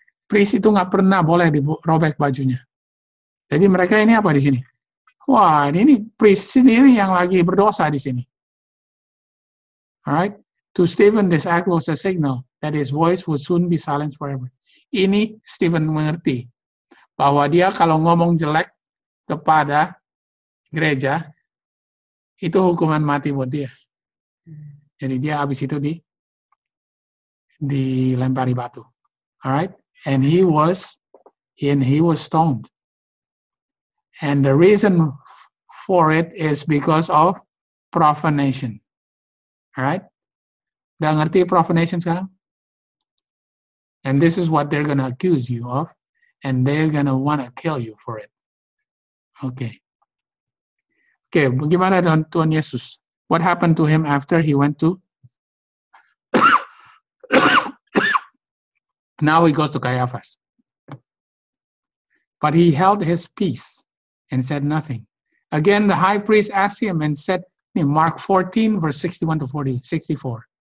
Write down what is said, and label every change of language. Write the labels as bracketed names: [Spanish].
[Indonesian] Priest itu nggak pernah boleh dirobek bajunya. Jadi mereka ini apa di sini? Wah, ini priest sendiri yang lagi berdosa di sini. [English] Alright, to Stephen this act was a signal that his voice would soon be silenced forever. [Indonesian] Ini Stephen mengerti bahwa dia kalau ngomong jelek kepada gereja, itu hukuman mati buat dia. Jadi dia habis itu dilempari batu. [English] Alright? And he was stoned. And the reason for it is because of profanation. Alright? [Indonesian] Udah ngerti profanation sekarang? [English] And this is what they're gonna accuse you of. And they're gonna wanna kill you for it. Okay. [Indonesian] Okay, bagaimana dengan Tuhan Yesus? [English] What happened to him after he went to? Now he goes to Caiaphas. But he held his peace and said nothing. Again, the high priest asked him and said, Mark 14, verse 61 to 40, 64.